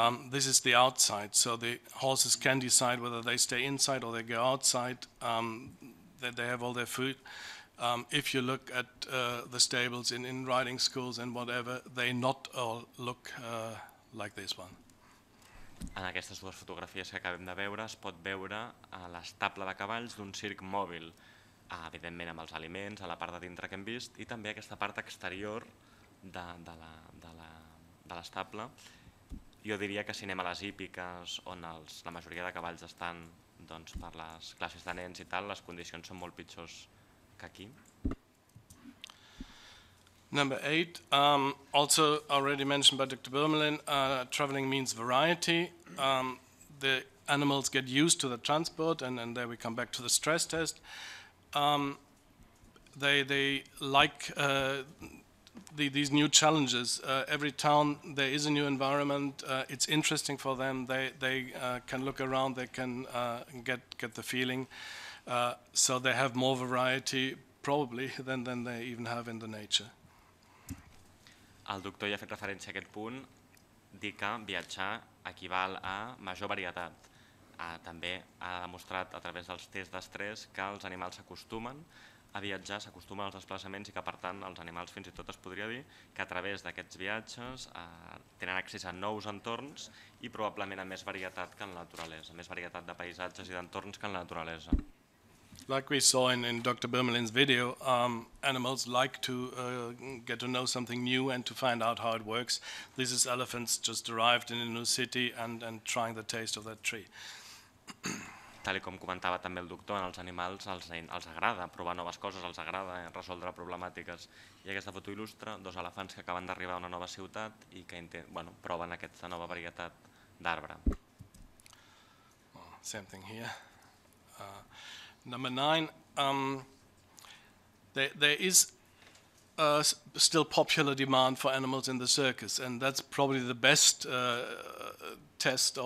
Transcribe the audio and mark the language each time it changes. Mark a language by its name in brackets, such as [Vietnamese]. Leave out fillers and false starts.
[English] This is the outside, so the horses can decide whether they stay inside or they go outside, that they have all their food. If you look at the stables in riding schools and whatever, they not all look like this one. [Catalan] En aquestes dues fotografies que acabem de veure es pot veure l'estable de cavalls d'un circ mòbil, evidentment amb els aliments, a la part de dintre que hem vist, i també aquesta part exterior de l'estable. Jo diria que si anem a les hípiques, on la majoria de cavalls estan doncs, per les classes de nens i tal, les condicions són molt pitjors que aquí. [English] Number 8, also already mentioned by Dr. Birmelin, traveling means variety. The animals get used to the transport, and there we come back to the stress test. They like these new challenges. Every town there is a new environment. It's interesting for them. They can look around. They can get the feeling. So they have more variety, probably, than they even have in the nature. [Catalan] El doctor ja ha fet referència a aquest punt, dir que viatjar equival a major varietat. També ha demostrat a través dels tests d'estrès que els animals s'acostumen a viatjar, s'acostumen als desplaçaments i que per tant els animals fins i tot es podria dir que a través d'aquests viatges tenen accés a nous entorns i probablement a més varietat que en la naturalesa, més varietat de paisatges i d'entorns que en la naturalesa. [English] like we saw in Dr. Birmelin's video, animals like to get to know something new and to find out how it works. This is elephants just arrived in a new city and trying the taste of that tree. [Catalan] Tal com comentava també el doctor, als animals els agrada provar noves coses, els agrada resoldre problemàtiques. I aquesta foto il·lustra dos elefants que acaben d'arribar a una nova ciutat i que bueno, proven aquesta nova varietat d'arbre. [English] Well, same thing here. Number nine, there is a still popular demand for animals in the circus, and that's probably the best test.